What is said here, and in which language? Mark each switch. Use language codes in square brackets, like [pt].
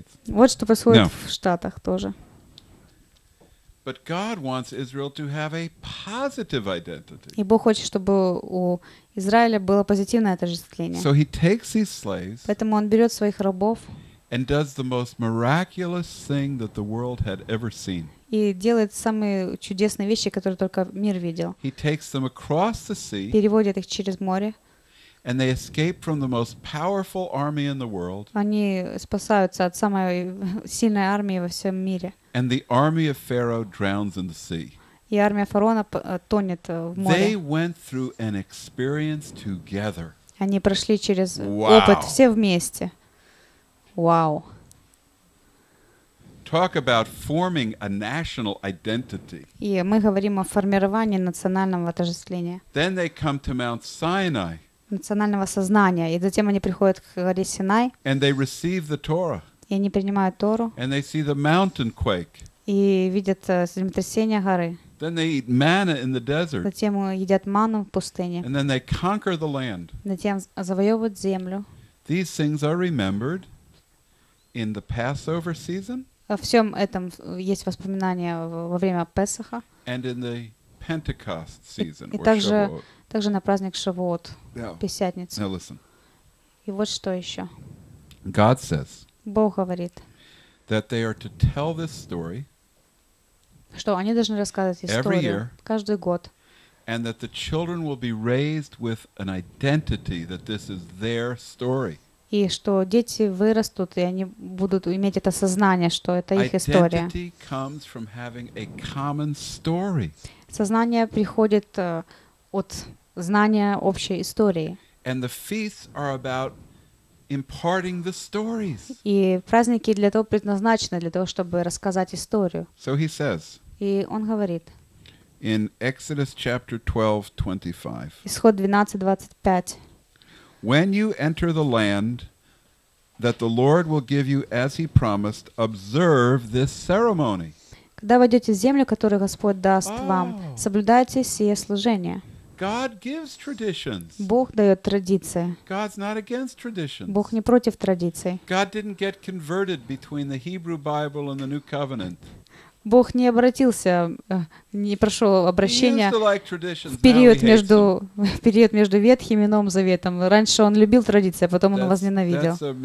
[ru] Вот что происходит в Штатах тоже. [en] But God wants Israel to have a positive identity. [ru] И Бог хочет, чтобы у Израиля было позитивное отождествление. [en] So he takes these slaves. [ru] Поэтому он берет своих рабов. [en] And does the most miraculous thing that the world had ever seen. [ru] И делает самые чудесные вещи, которые только мир видел. [en] He takes them across the sea. [ru] Переводит их через море. [en] And they escape from the most powerful army in the world. [ru] Они спасаются от самой сильной армии во всем мире. [en] And the army of Pharaoh drowns in the sea. [ru] И армия фараона тонет в море. [en] They went through an experience together. [ru] Они прошли через опыт все вместе. [en] Wow. Talk about forming a national identity. [ru] И мы говорим о формировании национального отождествления. [en] Then they come to Mount Sinai. [ru] Национального сознания. И затем они приходят к горе Синай. [en] And they receive the Torah. [ru] И они принимают Тору. [en] And they see the mountain quake. [ru] И видят землетрясение горы. [en] Then they eat manna in the desert. [ru] Затем едят ману в пустыне. [en] And then they conquer the land. [ru] Затем завоевывают землю. [en] These things are remembered in the Passover season. [ru] Во всем этом есть воспоминания во время Песаха. [en] And in the Pentecost season. [ru] И также на праздник Шавуот, Пятидесятницу. [en] Now listen. [ru] И вот что еще. [en] God says. [ru] Бог говорит, [en] that they are to tell this story, [ru] что они должны рассказывать историю каждый год, [en] and that the children will be raised with an identity that this is their story. [ru] И что дети вырастут, и они будут иметь это сознание, что это их история. [en] Identity comes from having a common story. [ru] Сознание приходит от знания общей истории. [en] And the feasts are about imparting the stories. [ru] И праздники для того предназначены для того, чтобы рассказать историю. [en] So he says. [ru] И он говорит. [en] In Exodus chapter 12:25. [ru] Исход 12:25. [en] When you enter the land that the Lord will give you as he promised, observe this ceremony. [ru] Когда войдете в землю, которую Господь даст вам, соблюдайте сие служение. [en] God gives traditions. [ru] Бог дает традиции. [en] God's not against traditions. [ru] Бог не против традиций. [en] God didn't get converted between the Hebrew Bible and the New Covenant. [ru] Бог не обратился, не прошел обращения в период между, Ветхим и Новым Заветом. Раньше он любил традиции, а потом он возненавидел.